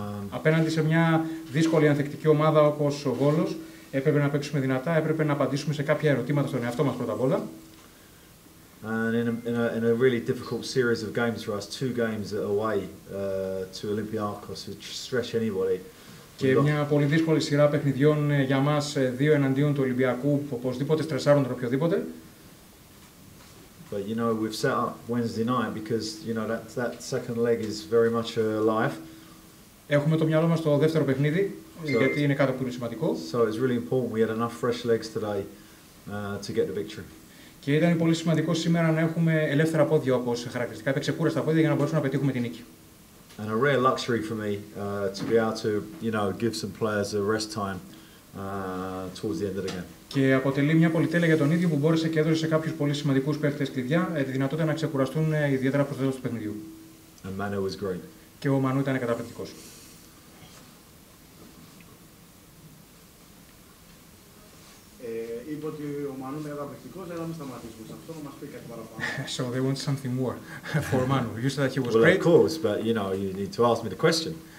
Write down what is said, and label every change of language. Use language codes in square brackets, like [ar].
[el] Απέναντι σε μια δύσκολη ανθεκτική ομάδα όπως ο Βόλος, έπρεπε να παίξουμε δυνατά, έπρεπε να απαντήσουμε σε κάποια ερωτήματα στον εαυτό μας πρώτα απ' όλα. [en] And in a really difficult series of games for us, two games away to Olympiacos, which stretch anybody. [el] Και μια πολύ δύσκολη σειρά παιχνιδιών για μας, δύο εναντίον του Ολυμπιακού, που οπωσδήποτε στρεσάρουν τον οποιοδήποτε. [en] But you know we've set up Wednesday night because you know that second leg is very much alive. [el] Έχουμε το μυαλό μας στο δεύτερο παιχνίδι, γιατί είναι κάτι πολύ σημαντικό. [en] So it's really important we had enough fresh legs today to get the victory. [el] Και ήταν πολύ σημαντικό σήμερα να έχουμε ελεύθερα πόδια όπως χαρακτηριστικά, έπαιξε κούραστα πόδια για να μπορέσουμε να πετύχουμε την νίκη. [en] And a rare luxury for me to be able to, you know, give some players a rest time towards the end of the game. [el] Και αποτελεί μια πολυτέλεια για τον ίδιο που μπόρεσε και έδωσε σε κάποιους πολύ σημαντικούς παίχτες κλειδιά τη δυνατότητα να ξεκουραστούν ιδιαίτερα προς το τέλος του παιχνιδιού. [en] And Manu was great. [el] Και ο Μανού ήταν καταπληκτικός. Είπε ότι ο Μανού είναι καταπληκτικός, αλλά μην σταματήσουμε σε αυτό, να μας πει κάτι παραπάνω. [en] So they want something more for Manu. You said that he was well, great. Well, of course, but you know, you need to ask me the question.